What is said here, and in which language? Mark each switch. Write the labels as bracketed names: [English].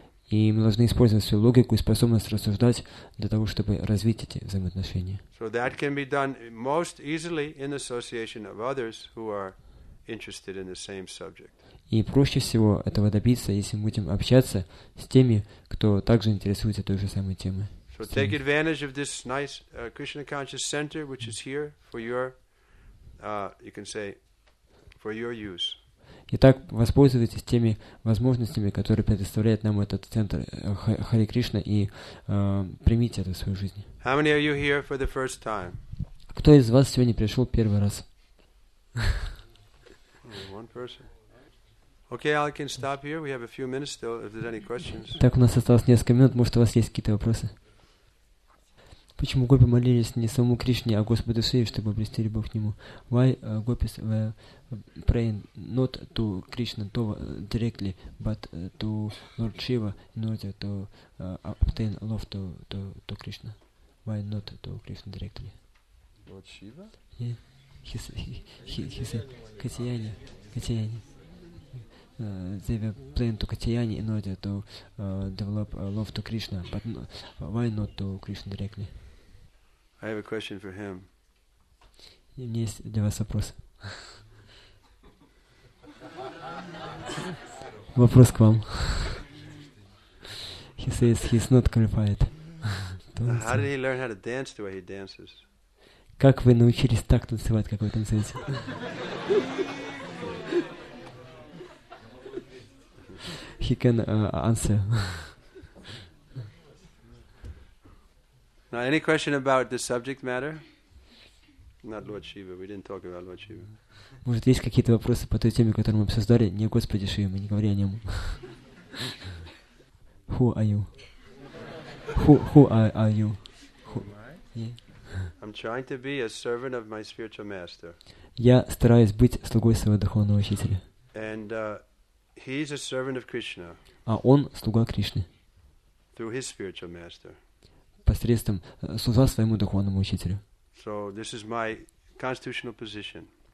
[Russian] И мы должны использовать свою логику и способность рассуждать для того, чтобы развить эти взаимоотношения. [English] So that can be done most easily in association of others who are interested in the same subject. [Russian] И проще всего этого добиться, если мы будем общаться с теми, кто также интересуется той же самой темой. [English] So take advantage of this nice Krishna Conscious Center, which is here for your, you can say, for your use. [Russian] Итак, воспользуйтесь теми возможностями, которые предоставляет нам этот центр Хари Кришна, и примите это в свою жизнь. [English] How many are you here for the first time? [Russian] Кто из вас сегодня пришел первый раз? [English] One person. Okay, I can stop here. We have a few minutes still. If there's any questions. [Russian] Так у нас осталось несколько минут. Может, у вас есть какие-то вопросы? Почему гопи молились не самому Кришне, а Господу Шиве, чтобы обрести любовь к Нему? [English] Why gopis were praying not to Krishna directly, but to Lord Shiva in order to obtain love to Krishna? Why not to Krishna directly? Lord Shiva? Yeah. He said, Katyayani, Katyayani. They were playing to Katyayani in order to develop love to Krishna, but why not to Krishna directly? I have a question for him. [Russian] У меня есть для вас вопрос. Вопрос к вам. [English] He says he's not qualified. How did he learn how to dance the way he dances? [Russian] Как вы научились так танцевать, как вы танцуете? [English] He can answer. Now, any question about the subject matter? Not Lord Shiva. We didn't talk about Lord Shiva. [Russian] Может, есть какие-то вопросы по той теме, которую мы обсуждали? Не Господи Шиве, мы не говорим о нем. [English] Who are you? Who are you? Who? I'm trying to be a servant of my spiritual master. [Russian] Я стараюсь быть слугой своего духовного учителя. [English] And he's a servant of Krishna. [Russian] А он слуга Кришны. [English] Through his spiritual master. [Russian] Посредством служа своему духовному учителю. [English] So this is my constitutional position.